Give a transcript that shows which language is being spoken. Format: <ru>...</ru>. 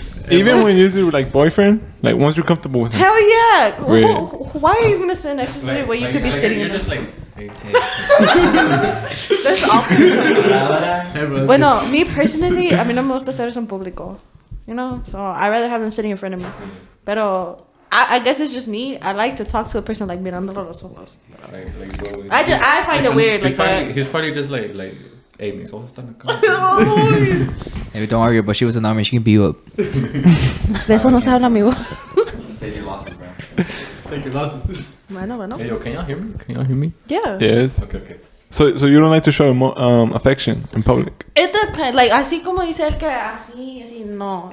<en>Even when you're like boyfriend, like once you're comfortable with him. Hell yeah. Really? Why are you going to sit next to me where you could be sitting? You're just like... That's awful.</en> <es>Bueno,</es> <en>me personally,</en> <es>a mí no me gusta estar en público.</es> <en>You know? So I'd rather have them sitting in front of me. Pero... I guess it's just me. I like to talk to a person like</en> <es>mirando los ojos.</es> <en>I find it weird. He's probably just like, hey, hey, don't worry, but she was in the army. She can beat you up.</en> <es>De eso no se habla, amigo.</es> <en>Take your losses, bro. Take your losses.</en> <es>Bueno.</es> <en>Hey, yo, can y'all hear me? Yeah. Yes. Okay. So you don't like to show affection in public? It depends.</en> <es>Like, así como dice el que, así, así, no.</es>